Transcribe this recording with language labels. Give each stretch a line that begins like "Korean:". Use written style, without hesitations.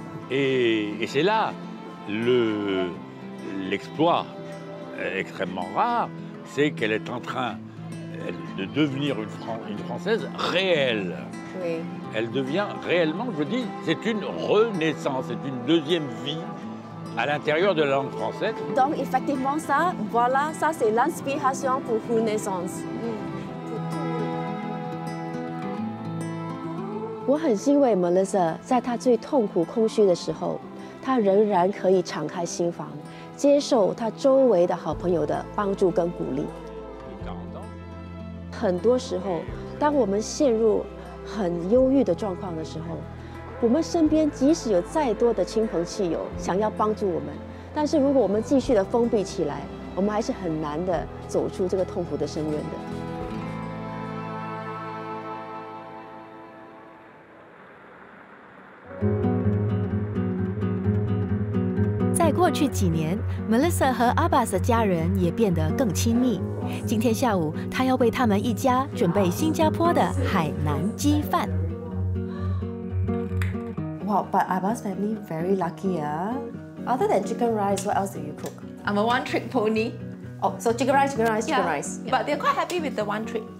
French: Et c'est là l'exploit extrêmement rare, c'est qu'elle est en train de devenir une Française réelle. Oui. Elle devient réellement, je dis, c'est une renaissance, c'est une deuxième vie à l'intérieur de la langue française. Donc effectivement, ça, voilà, ça c'est l'inspiration pour renaissance.
Chinese: 我很欣慰 Melisa 在她最痛苦空虚的时候，她仍然可以敞开心房，接受她周围的好朋友的帮助跟鼓励。很多时候，当我们陷入很忧郁的状况的时候，我们身边即使有再多的亲朋戚友想要帮助我们，但是如果我们继续的封闭起来，我们还是很难的走出这个痛苦的深渊的。过去几年 ，Melisa 和 Abbas 的家人也变得更亲密。今天下午，她要为他们一家准备新加坡的海南鸡饭。
English: Wow, but Abbas family very lucky, ah. Other than chicken rice, what else do you cook? I'm a one-trick pony. Oh, so chicken rice. Yeah, but they're quite happy with the one trick.